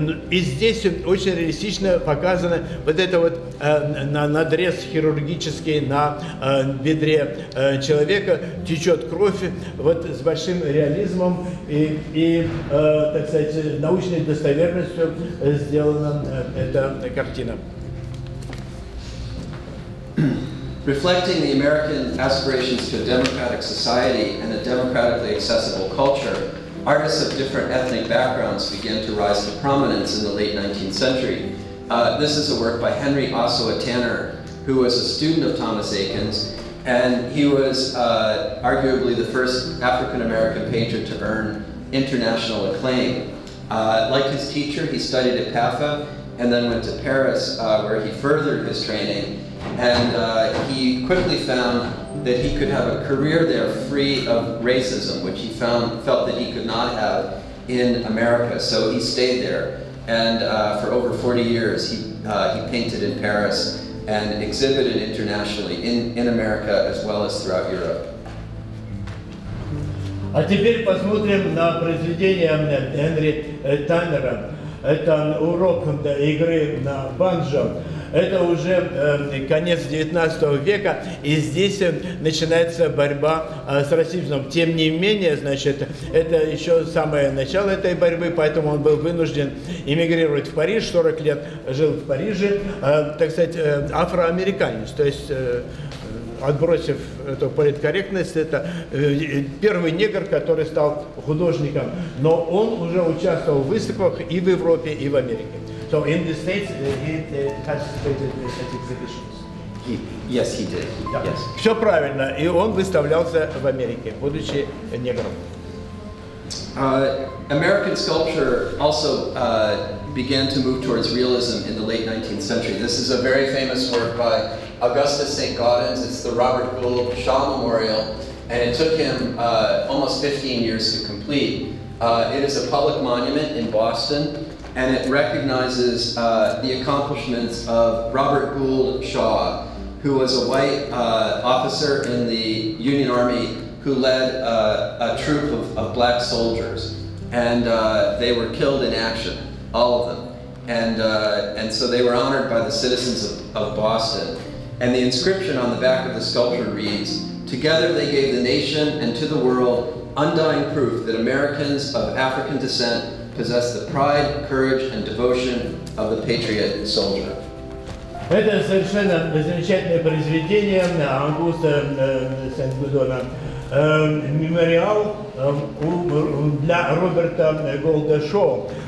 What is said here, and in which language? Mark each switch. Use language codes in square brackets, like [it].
[ru] И здесь очень реалистично показано вот это вот надрез хирургический на бедре человека. Течет кровь вот с большим реализмом и так сказать, научной достоверностью сделана эта картина. [en] Reflecting the American aspirations to a democratic society and a democratically accessible culture, artists of different ethnic backgrounds began to rise to prominence in the late 19th century. This is a work by Henry Ossowa Tanner, who was a student of Thomas Aiken's, and he was arguably the first African-American painter to earn international acclaim. Like his teacher, he studied at PAFA and then went to Paris, where he furthered his training. And he quickly found that he could have a career there free of racism, which he felt that he could not have in America. So he stayed there. And for over 40 years, he painted in Paris and exhibited internationally in America as well as throughout Europe. [ru] А теперь посмотрим на произведение Генри Таннера. Это урок игры на банджо. Это уже конец 19 века, и здесь начинается борьба с расизмом. Тем не менее, значит, это еще самое начало этой борьбы, поэтому он был вынужден эмигрировать в Париж. 40 лет жил в Париже, так сказать, афроамериканец, то есть... Отбросив эту политкорректность, это первый негр, который стал художником. Но он уже участвовал в выставках и в Европе, и в Америке. [en] So in the States he participated in such exhibitions. Yes, he did. Yeah. Yes. [ru] Все правильно. И он выставлялся в Америке, будучи негром. [en] American sculpture also began to move towards realism in the late 19th century. This is a very famous work by Augustus St. Gaudens. It's the Robert Gould Shaw Memorial, and it took him almost 15 years to complete. It is a public monument in Boston, and it recognizes the accomplishments of Robert Gould Shaw, who was a white officer in the Union Army who led a troop of black soldiers, and they were killed in action, all of them. And so they were honored by the citizens of Boston. And the inscription on the back of the sculpture reads, "Together they gave the nation and to the world undying proof that Americans of African descent possess the pride, courage, and devotion of the patriot soldier." [ru] Это совершенно замечательное произведение Августа Сен-Гудона. Мемориал для Роберта Голда Шоу.